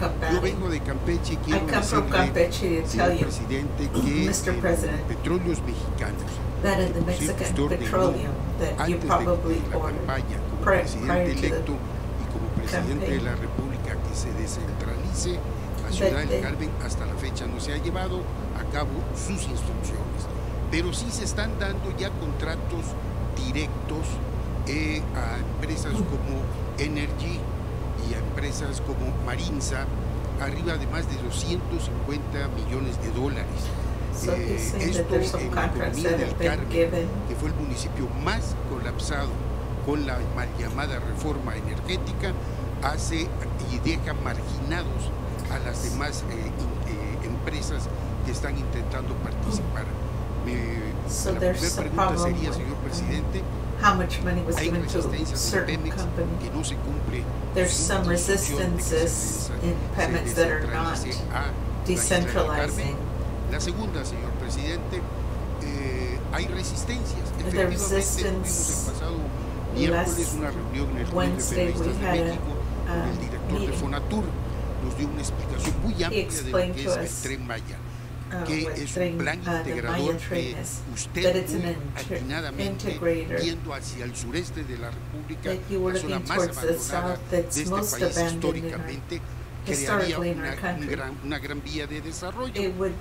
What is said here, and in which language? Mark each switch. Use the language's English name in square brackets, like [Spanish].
[Spanish] Yo vengo de Campeche y quiero decirle, señor presidente, que Petróleos Mexicanos, [English] that in the Mexican petroleum that you probably ordered prior to the campaign, [Spanish] que se descentralice a Ciudad del Carmen, hasta la fecha no se ha llevado a cabo sus instrucciones, pero sí se están dando ya contratos directos a empresas como Energy y a empresas como Marinsa, arriba de más de $250 millones. Esto en la economía del Carmen, que fue el municipio más colapsado con la mal llamada reforma energética, hace y deja marginados a las demás empresas que están intentando participar. La primera pregunta sería, señor presidente, ¿hay resistencias en Pemex que no se cumple? [English] Some resistances in Pemex that are not decentralizing. [Spanish] La segunda, señor presidente, hay resistencias. Efectivamente, tuvimos el pasado miércoles una reunión en el Club de Periodistas de México con el director de Fonatur. Nos dio una explicación muy amplia de lo que es el Tren Maya, que es un plan integrador que usted atinadamente viendo hacia el sureste de la República, la zona más abandonada de este país históricamente, crearía una gran vía de desarrollo.